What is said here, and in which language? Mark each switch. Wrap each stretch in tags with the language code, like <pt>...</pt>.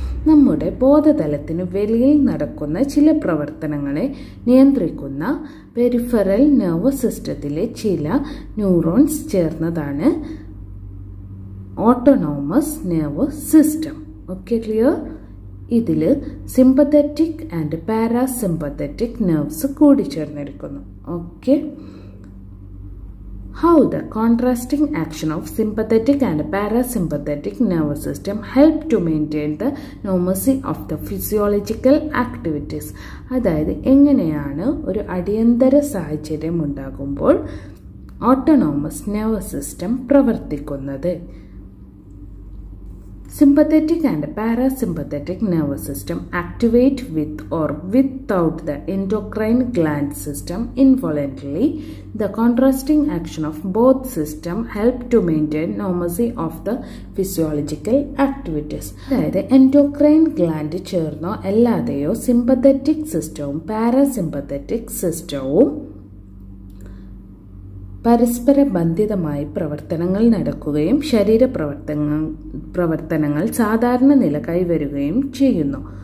<ml>നമ്മുടെ ബോധതലത്തിന് വെളിയിൽ നടക്കുന്ന ചില പ്രവർത്തനങ്ങളെ നിയന്ത്രിക്കുന്ന പെരിഫറൽ നെർവസ് സിസ്റ്റത്തിലെ ചില ന്യൂറോൺസ് ചേർന്നതാണ് autonomous nervous system. Okay, clear? ഇതിൽ സിമ്പത്തറ്റിക് ആൻഡ് പാരാസിമ്പത്തറ്റിക് നെർവ്സ് കൂടി ചേർന്നിരിക്കുന്നു. Okay,</ml> <en>How the contrasting action of sympathetic and parasympathetic nervous system help to maintain the normalcy of the physiological activities.</en> <ml>അതായത് എങ്ങനെയാണ് ഒരു അടിയന്തര സാഹചര്യം ഉണ്ടാകുമ്പോൾ ഓട്ടോണോമസ് നെർവസ് സിസ്റ്റം പ്രവർത്തിക്കുന്നത്.</ml> <en>Sympathetic and parasympathetic nervous system activate with or without the endocrine gland system involuntarily. The contrasting action of both system help to maintain normalcy of the physiological activities.</en> <ml>അതായത് endocrine gland ചേർന്നോ അല്ലാതെയോ sympathetic സിസ്റ്റവും parasympathetic സിസ്റ്റവും പരസ്പര ബന്ധിതമായി പ്രവർത്തനങ്ങൾ നടക്കുകയും ശരീരപ്രവർത്തനങ്ങൾ സാധാരണ നില കൈവരുകയും ചെയ്യുന്നു.</ml>